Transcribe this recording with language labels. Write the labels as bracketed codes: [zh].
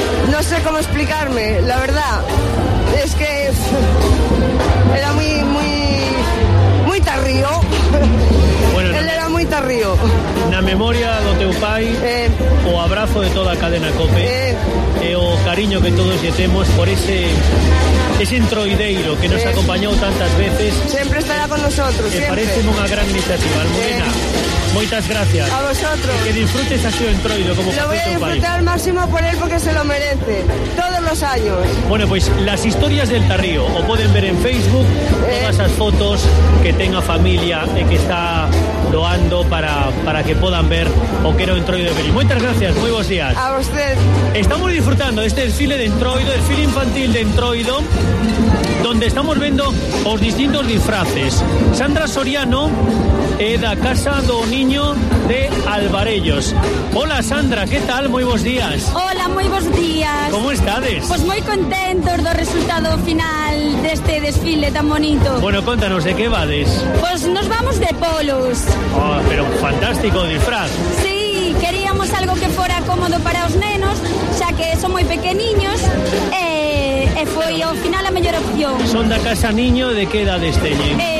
[es] No sé cómo explicarme, la verdad. Es que era muy, muy, muy tarrío. Bueno, él era muy tarrío. [gl] Na memoria do teu pai, o abrazo de toda a cadena COPE, o cariño que todos lle temos por ese... Ese entroideiro que nos acompañou tantas veces. Sempre estará con nosotros. [es] Me parece [gl] unha gran iniciativa, Almudena. Moitas gracias. [es] A vosotros. [gl] Que disfrutes así o entroido como [es] Lo voy a disfrutar país. Al máximo por él porque se lo merece. Todos los años. Bueno, pues las historias del Tarrío. O pueden ver en Facebook todas esas fotos que tenga familia e que está doando para que puedan ver o que era o entroido de Benín. [gl] Moitas gracias. [es] Muy buenos días. A usted. Estamos disfrutando de este desfile de entroido, desfile infantil de entroido, donde [gl] estamos vendo os distintos disfraces. Sandra Soriano é da Casa do Niño de Alvarellos. Hola Sandra, que tal? Moi bons días. Hola, moi bons días. Como estades? Pois moi contentos do resultado final deste desfile tan bonito. Bueno, contanos, de que vades? Pois nos vamos de polos. Oh, pero fantástico disfraz. Sí, queríamos algo que fora cómodo para os nenos, xa que son moi pequeniños, e foi ao final a mellor opción. Son da Casa Niño, de que edades teñen?